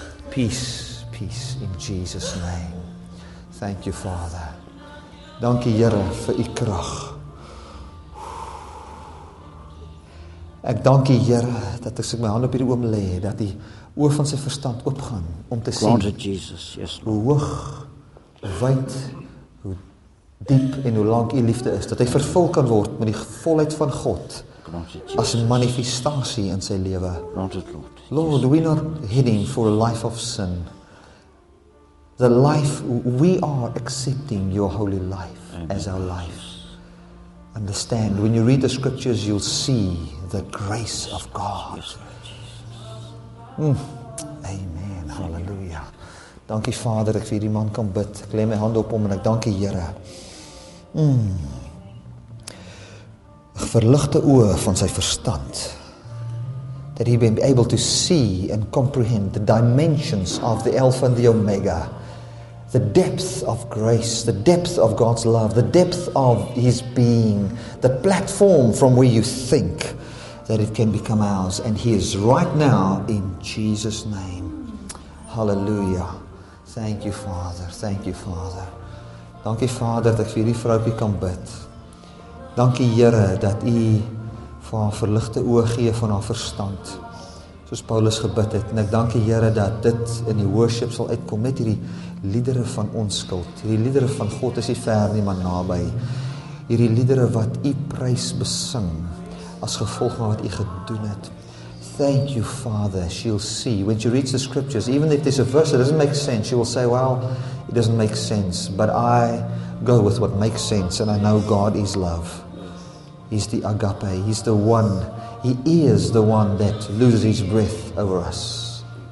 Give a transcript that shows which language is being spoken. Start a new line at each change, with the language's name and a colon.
English: Peace, peace in Jesus' name. Thank you, Father.
Afrikaans: Dankie, Here, vir u krag. Ek dankie, Here, dat ek my hand op hierdie oom lê, dat die oë van sy verstand oopgaan om te sien.
English: Glory to Jesus, yes.
Afrikaans: Hoe hoog, hoe wyd, hoe diep en hoe lank u liefde is, dat hy vervul kan word met die volheid van God.
English: As a manifestation
Afrikaans: in sy lewe.
English: Lord, we're not heading for a life of sin. The life, we are accepting your holy life as our life. Understand, when you read the scriptures, you'll see the grace of God.
Afrikaans: Amen. Hallelujah. Dankie Vader, ek vir hierdie man kan bid. Ek lê my hand op hom en ek dankie Here. Verligte oë van sy verstand.
English: That he be able to see and comprehend the dimensions of the Alpha and the Omega. The depth of grace, the depth of God's love, the depth of his being. The platform from where you think that it can become ours. And he is right now in Jesus' name. Hallelujah. Thank you, Father. Thank you, Father.
Afrikaans: Dankie, Vader, dat ek vir die vroukie kan bid. Dankie, Here, dat u vir haar verligte oë gee van haar verstand. Soos Paulus gebid het. En ek dankie, Here, dat dit in die worship sal uitkom. Net hierdie liedere van onskuld. Hierdie liedere van God is nie ver nie, maar nabij. Hierdie liedere wat u prys besing. As gevolg van wat u gedoen het.
English: Thank you, Father. She'll see. When she reads the scriptures, even if there's a verse that doesn't make sense, she will say, well, it doesn't make sense. But I go with what makes sense, and I know God is love. He's the agape. He's the one. He is the one that loses his breath over us.